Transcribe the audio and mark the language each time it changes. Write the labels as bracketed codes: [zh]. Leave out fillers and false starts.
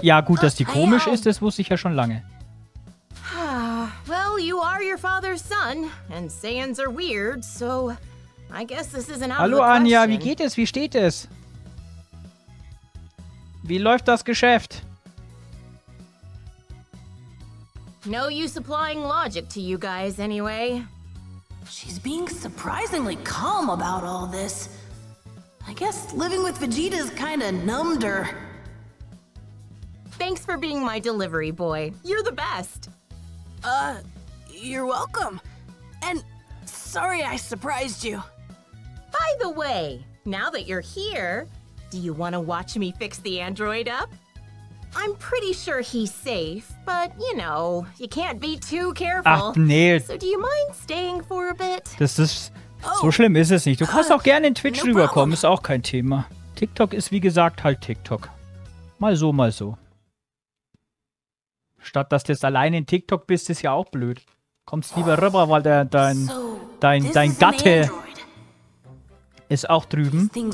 [de] Ja, gut, dass die komisch ist, das wusste ich ja schon lange. [en] You are your father's son, and Saiyans are weird, so I guess this is an out [de] Hallo [en] of the [de] Anja, [en] question. [de] Wie geht es? Wie steht es? Wie läuft das Geschäft? [en] No use applying logic to you guys, anyway. She's being surprisingly calm about all this. I guess living with Vegeta's kinda numbed her. Thanks for being my delivery boy. You're the best. You're welcome. And sorry I surprised you. By the way, now that you're here, do you want to watch me fix the android up? I'm pretty sure he's safe, but you know, you can't be too careful. [de] Ach, nee. [en] So do you mind staying for a bit? [de] Das ist so schlimm ist es nicht. Du kannst auch gerne in Twitch no rüberkommen, ist auch kein Thema. TikTok ist wie gesagt halt TikTok. Mal so Statt dass du jetzt allein in TikTok bist, ist ja auch blöd. Kommst lieber rüber, weil dein Gatte ist auch drüben.